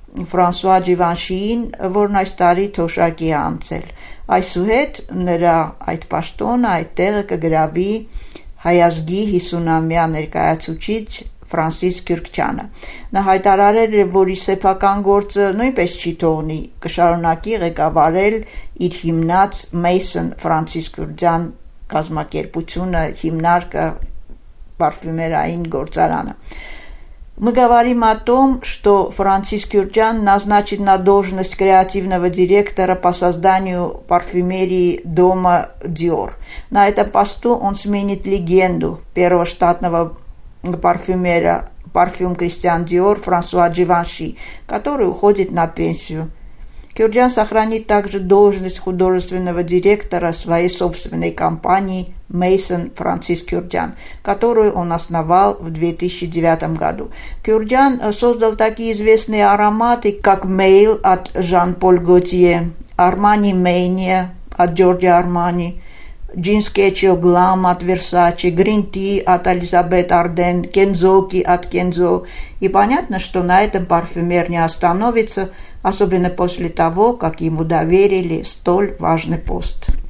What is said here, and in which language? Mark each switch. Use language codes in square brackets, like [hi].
[hy] Ֆրանսուա Ջիվանշիին, որն այս տարի թոշակի է անցել։ Այսուհետ նրա այդ պաշտոնը, այդ տեղը կգրավի հայազգի 50-ամյա ներկայացուցիչ Ֆրանսիս Քյուրքչյանը։ Նա հայտարարել է, որ իր սեփական գործը նույնպես չի թողնի, կշարունակի ղեկավարել իր հիմնած Mason Francis Քյուրքչյան կազմակերպությունը, հիմնարկը, պարֆյումերային գործարանը։ [ru] Мы говорим о том, что Франсис Кюрджан назначит на должность креативного директора по созданию парфюмерии дома Dior. На этом посту он сменит легенду первого штатного парфюмера, парфюм Кристиан Dior, Франсуа Дживанши, который уходит на пенсию. Кюрджан сохранит также должность художественного директора своей собственной компании Mason Francis Kurdjian, которую он основал в 2009 году. Kurdjian создал такие известные ароматы, как Mail от Jean-Paul Gaultier, Armani Mania от Giorgio Armani, Jean Sketchio Glam от Versace, Green Tea от Elizabeth Arden, Kenzoki от Kenzo. И понятно, что на этом парфюмер не остановится, особенно после того, как ему доверили столь важный пост.